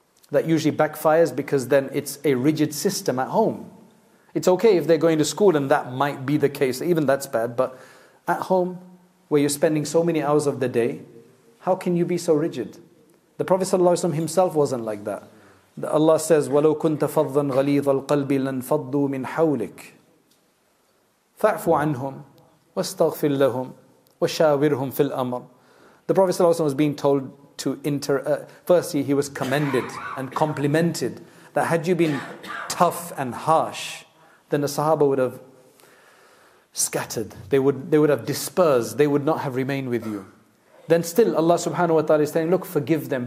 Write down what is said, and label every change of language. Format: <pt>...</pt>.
<en>That usually backfires because then it's a rigid system at home. It's okay if they're going to school, and that might be the case. Even that's bad. But at home, where you're spending so many hours of the day, how can you be so rigid? The Prophet ﷺ himself wasn't like that.</en> <ar>Allah says, وَلَوْ كُنْتَ فَضًّا غَلِيظَ الْقَلْبِ لَنْفَضُّوا مِنْ حَوْلِكَ فَاعْفُ عَنْهُمْ وَاسْتَغْفِرْ لَهُمْ وَشَاوِرْهُمْ فِي الْأَمَرِ.</ar> <en>The Prophet ﷺ was being told to enter. Firstly, he was commended and complimented. That had you been tough and harsh, then the Sahaba would have scattered. They would have dispersed. They would not have remained with you. Then still Allah subhanahu wa ta'ala is saying, look, forgive them.</en>